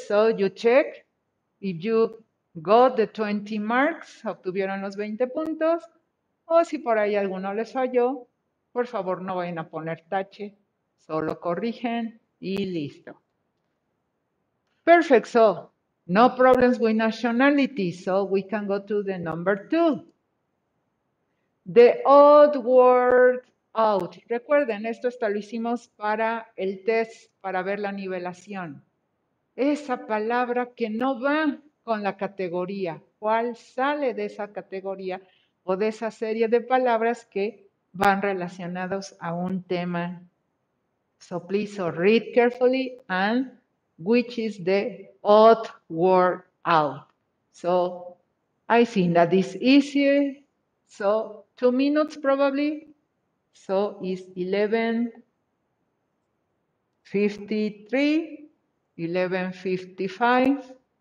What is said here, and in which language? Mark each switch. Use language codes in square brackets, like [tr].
[en] So you check if you got the 20 marks, [es] obtuvieron los 20 puntos, o si por ahí alguno les falló, por favor no vayan a poner tache, solo corrigen y listo. Perfecto. [en] So, no problems with nationality, so we can go to the number two. The odd word out. [es] Recuerden, esto hasta lo hicimos para el test, para ver la nivelación. Esa palabra que no va con la categoría. ¿Cuál sale de esa categoría o de esa serie de palabras que van relacionados a un tema? [en] So please, so read carefully and which is the odd word out. So I think that is easy. So 2 minutes probably. So is 11:53, 11:55.